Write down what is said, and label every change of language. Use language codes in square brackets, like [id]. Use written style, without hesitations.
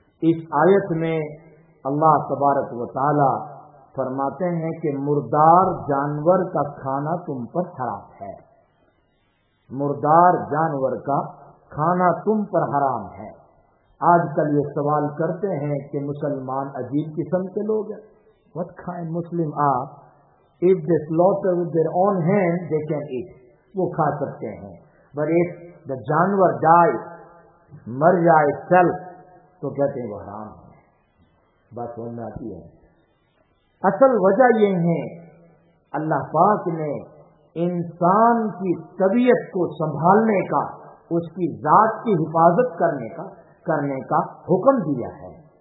[ur] اس آیت میں اللہ تبارک و تعالی فرماتے ہیں کہ مردار جانور کا کھانا تم پر حرام ہے. مردار جانور کا کھانا تم پر حرام ہے. آج کل یہ سوال کرتے ہیں کہ مسلمان عجیب قسم کے لوگ ہیں. [en] What kind Muslim are? If they slaughter with their own hand they can eat. [ur] وہ کھا سکتے ہیں. [en] But if the [ur] جانور [en] die, [ur] مر جائے سیلف تو کہتے ہیں وہ حرام ہے. بس وہ آتی ہے. اصل وجہ یہ ہے اللہ پاک نے انسان کی طبیعت کو سنبھالنے کا اس کی ذات کی حفاظت کرنے کا حکم دیا ہے.